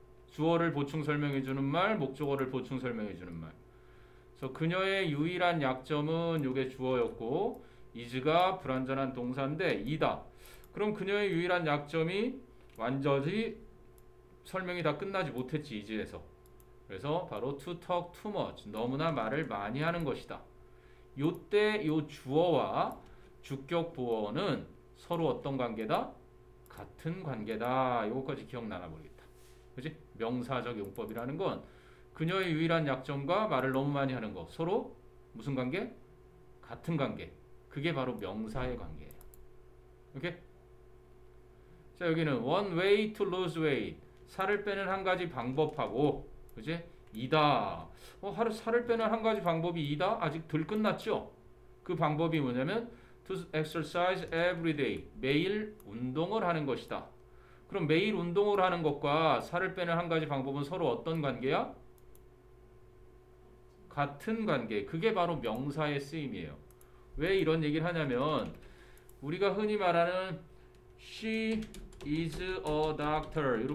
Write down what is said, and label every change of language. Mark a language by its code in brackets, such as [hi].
[ko] 주어를 보충 설명해 주는 말, 목적어를 보충 설명해 주는 말. 그래서 그녀의 유일한 약점은 요게 주어였고, is가 불완전한 동사인데, 이다. 그럼 그녀의 유일한 약점이 완전히 설명이 다 끝나지 못했지, is에서. [en] 그래서 바로 to talk too much. [ko] 너무나 말을 많이 하는 것이다. 요때 요 주어와 주격 보어는 서로 어떤 관계다? 같은 관계다. 요거까지 기억 나나 모르겠다. 그지? 명사적 용법이라는 건 그녀의 유일한 약점과 말을 너무 많이 하는 거. 서로 무슨 관계? 같은 관계. 그게 바로 명사의 관계예요. 오케이? [en] 자, 여기는 one way to lose weight. [ko] 살을 빼는 한 가지 방법하고, 그지? 이다. 하루 살을 빼는 한 가지 방법이 이다? 아직 덜 끝났죠? [en] 그 방법이 뭐냐면, to exercise every day. [ko] 매일 운동을 하는 것이다. 그럼 매일 운동을 하는 것과 살을 빼는 한 가지 방법은 서로 어떤 관계야? 같은 관계. 그게 바로 명사의 쓰임이에요. 왜 이런 얘기를 하냐면, 우리가 흔히 말하는 she is a doctor.